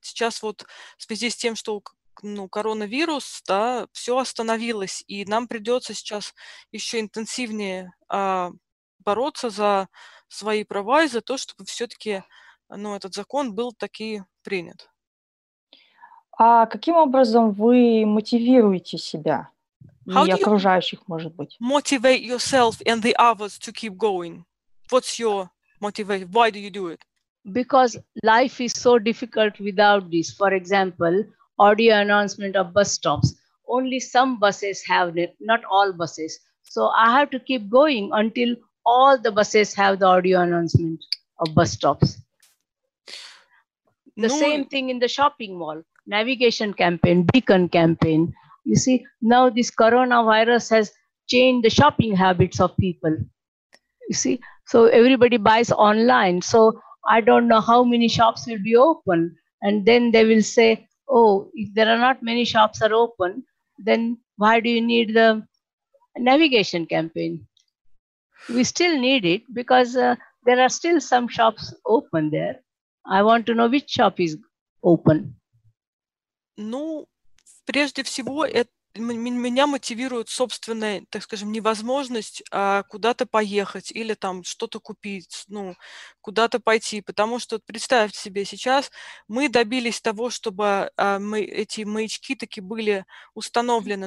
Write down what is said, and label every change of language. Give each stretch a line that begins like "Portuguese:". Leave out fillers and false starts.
Russian: Сейчас вот в связи с тем, что ну, коронавирус, да, все остановилось, и нам придется сейчас еще интенсивнее бороться за свои права и за то, чтобы все-таки ну, этот закон был таки принят. А каким образом вы мотивируете себя и окружающих, может быть?
English: Motivate yourself and the others to keep going. What's your motivation? Why do you do it? Because life is so difficult without this. For example, audio announcement of bus stops. Only some buses have it, not all buses. So I have to keep going until all the buses have the audio announcement of bus stops. The no. same thing in the shopping mall, navigation campaign, beacon campaign. You see, now this coronavirus has changed the shopping habits of people. You see, so everybody buys online. So I don't know how many shops will be open. And then they will say, oh, if there are not many shops are open, then why do you need the navigation campaign? We still need it because there are still some shops open there. I want to know which shop is open.
Russian: Ну, прежде всего, меня мотивирует собственная, так скажем, невозможность куда-то поехать или там что-то купить, ну, куда-то пойти. Потому что, представьте себе, сейчас мы добились того, чтобы эти маячки таки были установлены.